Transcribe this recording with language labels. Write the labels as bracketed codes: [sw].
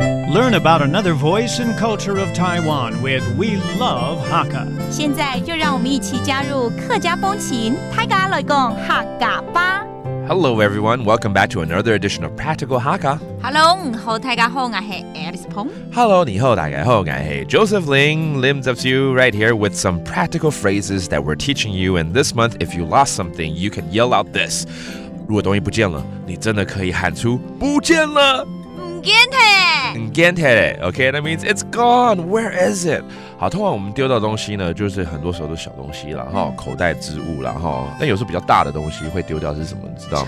[en] Learn about another voice and culture of Taiwan with We Love Hakka. [zh] 现在就让我们一起加入客家风情，泰嘎来讲客家吧。 [en] Hello, everyone. Welcome back to another edition of Practical Hakka. [zh] Hello, 你好，大家好，我是 Alice Pong. Hello, 你好，大家好，我是 Joseph Ling. [en] Lim Zafsiu right here with some practical phrases that we're teaching you. And this month, if you lost something, you can yell out this. [zh] 如果东西不见了，你真的可以喊出不见了。 [en] Okay, that means it's gone. Where is it? [zh] 好，通常我们丢到东西呢，就是很多时候都小东西啦，哈，口袋之物啦，哈。但有时候比较大的东西会丢掉是什么？你知道吗？